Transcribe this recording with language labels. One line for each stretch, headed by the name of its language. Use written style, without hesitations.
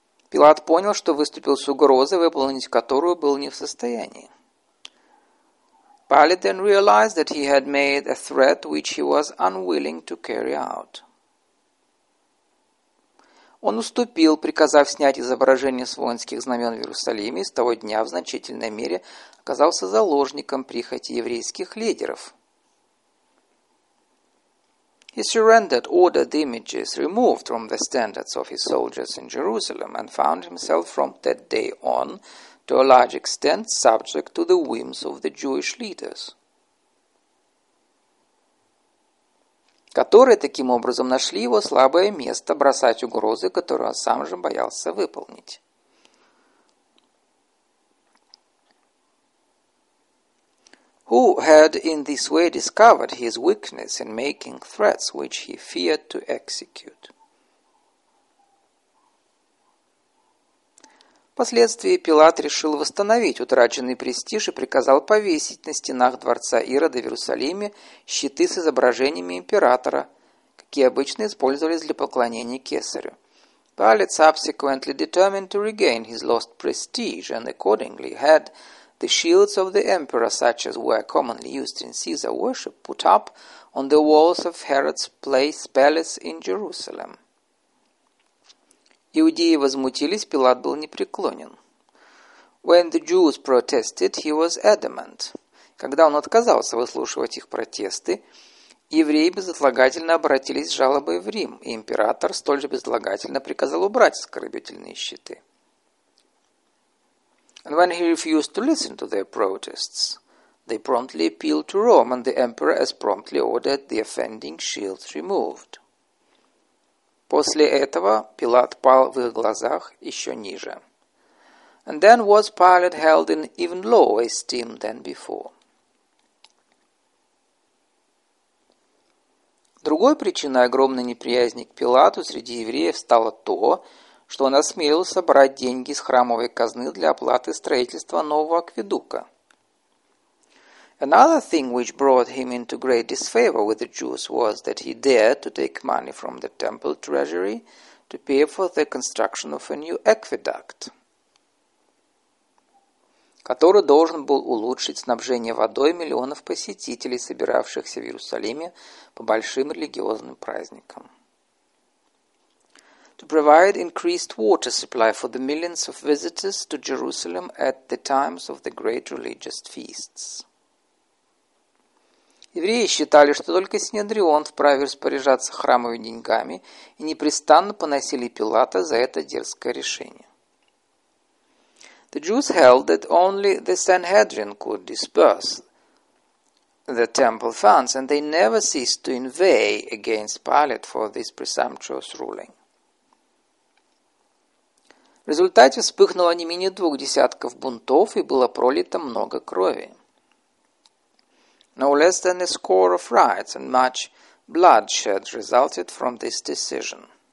Russian: Пилат понял, что выступил с угрозой, выполнить которую был не в состоянии.
English: Pilate then realized that he had made a threat which he was unwilling to carry out.
Russian: Он уступил, приказав снять изображение с воинских знамен в Иерусалиме, и с того дня в значительной мере оказался заложником прихоти еврейских лидеров.
English: He surrendered, ordered the images removed from the standards of his soldiers in Jerusalem and found himself from that day on, to a large extent, subject to the whims of the Jewish leaders,
Russian: которые таким образом нашли его слабое место бросать угрозы, которые он сам же боялся выполнить.
English: Who had in this way discovered his weakness in making threats which he feared to execute.
Russian: Впоследствии Пилат решил восстановить утраченный престиж и приказал повесить на стенах дворца Ирода в Иерусалиме щиты с изображениями императора, какие обычно использовались для поклонения кесарю.
English: Pilate subsequently determined to regain his lost prestige and accordingly had the shields of the emperor, such as were commonly used in Caesar worship, put up on the walls of Herod's palace in Jerusalem.
Russian: Иудеи возмутились, Пилат был непреклонен.
English: When the Jews protested, he was adamant.
Russian: Когда он отказался выслушивать их протесты, евреи безотлагательно обратились с жалобой в Рим, и император столь же безотлагательно приказал убрать оскорбительные щиты.
English: And when he refused to listen to their protests, they promptly appealed to Rome, and the emperor as promptly ordered the offending shields removed.
Russian: После этого Пилат пал в их глазах еще ниже.
English: And then was Pilate held in even lower esteem than before.
Russian: Другой причиной огромной неприязни к Пилату среди евреев стало то, что он осмелился брать деньги из храмовой казны для оплаты строительства нового акведука.
English: Another thing which brought him into great disfavor with the Jews was that he dared to take money from the temple treasury to pay for the construction of a new aqueduct,
Russian: который должен был улучшить снабжение водой миллионов посетителей, собиравшихся в Иерусалиме по большим религиозным праздникам.
English: To provide increased water supply for the millions of visitors to Jerusalem at the times of the great religious feasts.
Russian: Евреи считали, что только Синедрион вправе распоряжаться храмовыми деньгами и непрестанно поносили Пилата за это дерзкое решение.
English: The Jews held that only the Sanhedrin could disburse the temple funds, and they never ceased to inveigh against Pilate for this presumptuous ruling.
Russian: В результате вспыхнуло не менее двух десятков бунтов, и было пролито много крови.
English: No less than a score of riots and much bloodshed resulted from this decision.